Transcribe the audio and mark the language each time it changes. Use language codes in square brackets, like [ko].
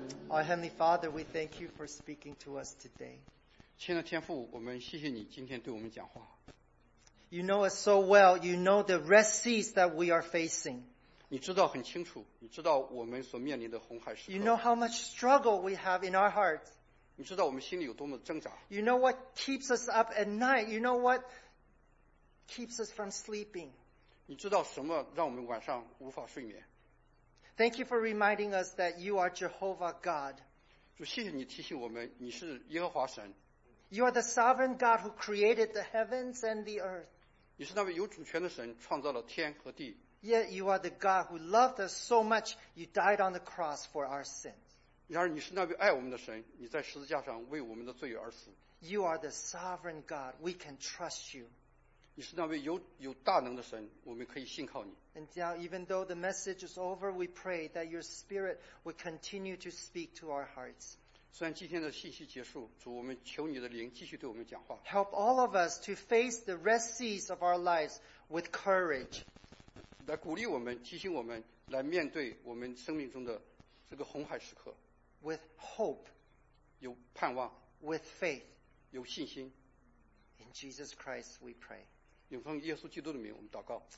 [en] Our Heavenly Father, we thank you for speaking to us today. [zh] 亲爱的天父，我们谢谢你今天对我们讲话。 [en] You know us so well, you know the red seas that we are facing. [zh] 你知道很清楚，你知道我们所面临的红海时刻。 [en] You know how much struggle we have in our hearts. [zh] 你知道我们心里有多么挣扎。 [en] You know what keeps us up at night? You know what keeps us from sleeping? [zh] 你知道什么让我们晚上无法睡眠？ [en] Thank you for reminding us that you are Jehovah God. [zh] 主，谢谢你提醒我们，你是耶和华神。 [en] You are the sovereign God who created the heavens and the earth. [zh] 你是那位有主权的神，创造了天和地。 [en] Yet you are the God who loved us so much, you died on the cross for our sins. [zh] 然而你是那位爱我们的神，你在十字架上为我们的罪而死。 [en] You are the sovereign God. We can trust you. [zh] 你是那位有大能的神，我们可以信靠你。 [en] And now, even though the message is over, we pray that your spirit would continue to speak to our hearts. [zh] 虽然今天的信息结束，主，我们求你的灵继续对我们讲话。 [en] Help all of us to face the red seas of our lives with courage. [zh] 来鼓励我们，提醒我们，来面对我们生命中的这个红海时刻。 [en] With hope, [zh] 有盼望 [en] with faith, [zh] 有信心 [en] in Jesus Christ we pray. [zh] 奉耶稣基督的名我们祷告